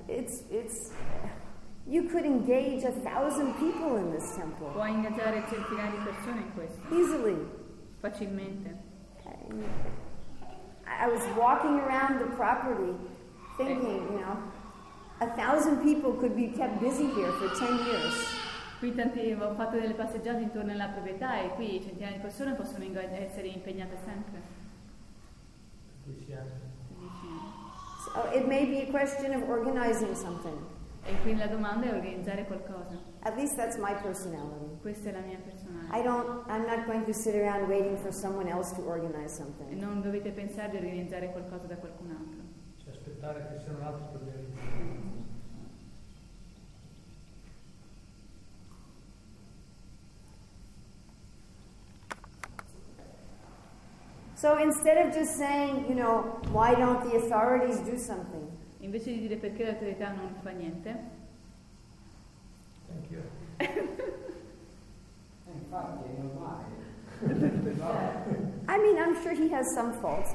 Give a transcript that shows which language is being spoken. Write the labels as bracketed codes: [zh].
[en] It's. You could engage 1,000 people in this temple. [it] Puoi ingaggiare centinaia di persone in questo. [en] Easily. [it] Facilmente. [en] I was walking around the property thinking, you know, 1,000 people could be kept busy here for 10 years. [it] Qui tanti ho fatto delle passeggiate intorno alla proprietà e qui centinaia di persone possono essere impegnate sempre. [en] So it may be a question of organizing something. [it] E quindi la domanda è organizzare qualcosa. [en] At least that's my personality. [it] Questa è la mia personalità. [en] I'm not going to sit around waiting for someone else to organize something. [it] E non dovete pensare di organizzare qualcosa da qualcun altro. Cioè aspettare che sia un altro per organizzare. [en] So instead of just saying, you know, why don't the authorities do something? [it] Invece di dire perché l'autorità non fa niente. [en] Thank you. I mean, I'm sure he has some faults.